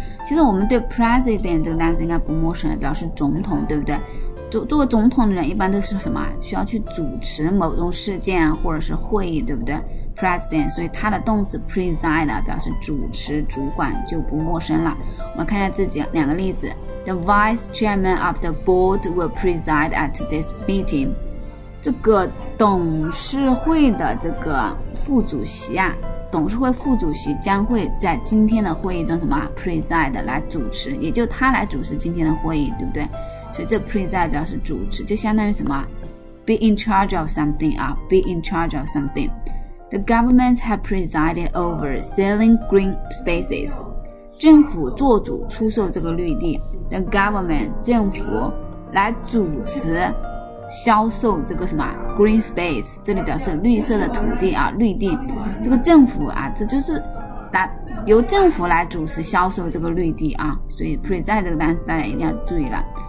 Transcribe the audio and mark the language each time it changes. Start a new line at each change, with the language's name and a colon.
Chinese: 其实我们对 president 这个单词应该不陌生，表示总统，对不对？做总统的人一般都是什么，需要去主持某种事件或者是会议，对不对？ president， 所以它的动词 preside 表示主持主管就不陌生了。我们看一下这几两个例子。
English: The vice chairman of the board will preside at this meeting。
Chinese: 这个董事会的这个副主席啊，董事会副主席将会在今天的会议中什么 preside 来主持，也就他来主持今天的会议，对不对？所以这 preside 表示主持，就相当于什么
English: be in charge of something
Chinese: 啊， be in charge of something。
English: The government has presided over selling green spaces。
Chinese: 政府做主出售这个绿地。The government 政府来主持销售这个什么
English: green space，
Chinese: 这里表示绿色的土地啊，绿地。这个政府啊，这就是来由政府来主持销售这个绿地啊，所以 preside 这个单词大家一定要注意了。